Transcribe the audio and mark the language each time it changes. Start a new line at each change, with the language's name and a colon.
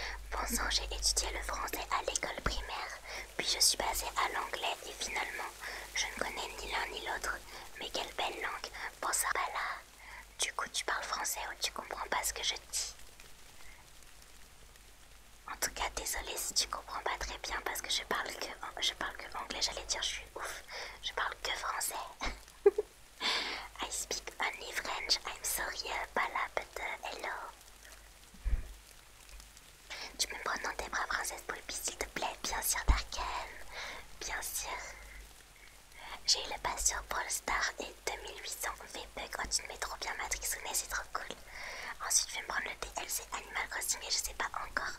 French: Bon sang, j'ai étudié le français à l'école primaire, puis je suis passée à l'anglais et finalement, je ne connais ni l'un ni l'autre. Mais quelle belle langue, bon ça va là. Du coup, tu parles français ou tu comprends pas ce que je dis? En tout cas, désolée si tu comprends pas très bien parce que je parle que anglais, j'allais dire je suis ouf. Je parle que français.
English: I speak only French, I'm sorry, Bala, but hello.
French: Tu peux me prendre dans tes bras, princesse Poulpi, s'il te plaît. Bien sûr, Darken. Bien sûr. J'ai eu le pass sur Brawl Stars et 2800 V-Bucks. Oh, tu te mets trop bien, Matrixounet, c'est trop cool. Ensuite, je vais me prendre le DLC Animal Crossing et je sais pas encore.